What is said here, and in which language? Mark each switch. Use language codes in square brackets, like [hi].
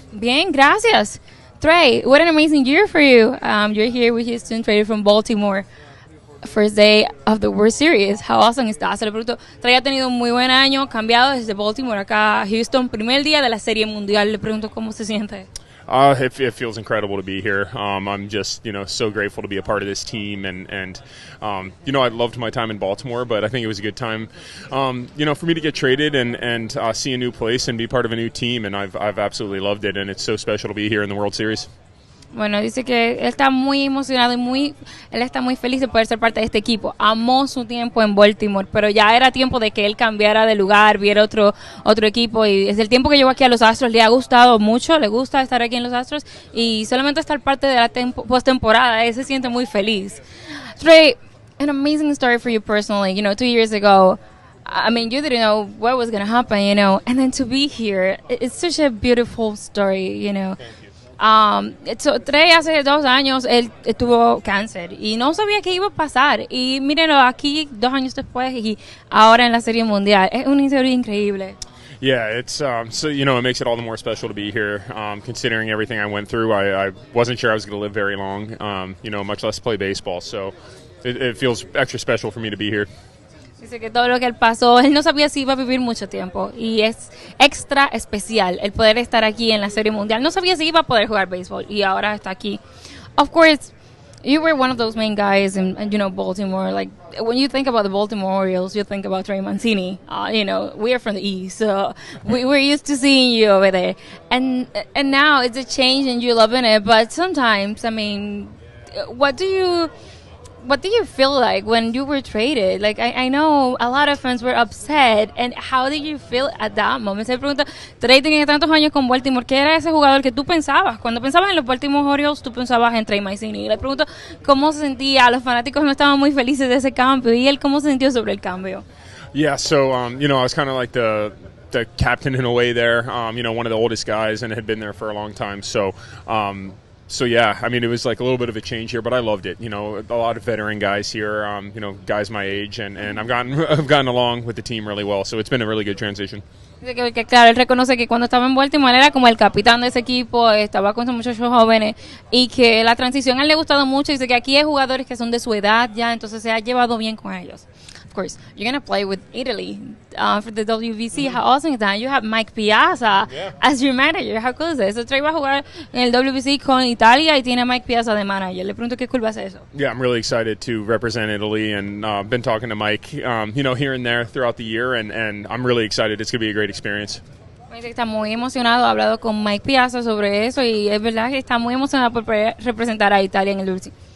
[es] Bien, gracias. [en] Trey, what an amazing year for you. You're here with Houston, traded from Baltimore. First day of the World Series. How awesome is that? [es] Se lo pregunto. Trey ha tenido un muy buen año, cambiado desde Baltimore acá a Houston. Primer día de la Serie Mundial. Le pregunto cómo se siente. [en] It feels incredible to be here. I'm just, you know, so grateful to be a part of this team. And you know, I loved my time in Baltimore, but I think it was a good time, you know, for me to get traded and see a new place and be part of a new team. And I've absolutely loved it. And it's so special to be here in the World Series. [es] Bueno, dice que él está muy emocionado y muy, él está muy feliz de poder ser parte de este equipo. Amó su tiempo en Baltimore, pero ya era tiempo de que él cambiara de lugar, viera otro equipo. Y desde el tiempo que llevo aquí a los Astros, le ha gustado mucho, le gusta estar aquí en los Astros. Y solamente estar parte de la postemporada, él se siente muy feliz. [en] Trey, an amazing story for you personally. You know, 2 years ago, I mean, you didn't know what was going to happen, you know. And then to be here, it's such a beautiful story, you know. [es] So, Trey, hace 2 años, él tuvo cáncer y no sabía qué iba a pasar. Y mírenlo aquí, 2 años después, y ahora en la Serie Mundial. Es una historia increíble. [en] Yeah, it's so, you know, it makes it all the more special to be here. Considering everything I went through, I wasn't sure I was going to live very long, you know, much less play baseball. So, it feels extra special for me to be here. [es] Dice que todo lo que él pasó, él no sabía si iba a vivir mucho tiempo. Y es extra especial el poder estar aquí en la Serie Mundial. No sabía si iba a poder jugar béisbol y ahora está aquí. [en] Of course, you were one of those main guys in, you know, Baltimore. Like, when you think about the Baltimore Orioles, you think about Trey Mancini. You know, we are from the East, so we're used to seeing you over there. And now it's a change and you're loving it. But sometimes, I mean, what do you feel like when you were traded? Like, I know a lot of fans were upset, and how did you feel at that moment? [es] Se pregunta, Trey tenía tantos años con Baltimore, ¿qué era ese jugador que tú pensabas? Cuando pensabas en los Baltimore Orioles, tú pensabas en Trey Mancini. Le pregunto, ¿cómo se sentía? Los fanáticos no estaban muy felices de ese cambio, y él, ¿cómo se sintió sobre el cambio? [en] Yeah, so, you know, I was kind of like the captain in a way there, you know, one of the oldest guys, and had been there for a long time, so... So, yeah, I mean, it was like a little bit of a change here, but I loved it. You know, a lot of veteran guys here, you know, guys my age, and I've gotten along with the team really well. So it's been a really good transition. [es] Claro, él reconoce que cuando estaba en Baltimore era como el capitán de ese equipo, estaba con muchos jóvenes, y que la transición a él le ha gustado mucho. Dice que aquí hay jugadores que son de su edad ya, entonces se ha llevado bien con ellos. [en] Of course, you're going to play with Italy for the WBC. Mm-hmm. How awesome is that? You have Mike Piazza as your manager. How cool is that? [es] So Trey va a jugar en el WBC con Italia y tiene a Mike Piazza de manager. Le pregunto qué cool va a ser eso. [en] Yeah, I'm really excited to represent Italy, and been talking to Mike, you know, here and there throughout the year, and I'm really excited. It's going to be a great experience. [es] Está muy emocionado. Ha hablado con Mike Piazza sobre eso y es verdad que está muy emocionado por representar a Italia en el WBC.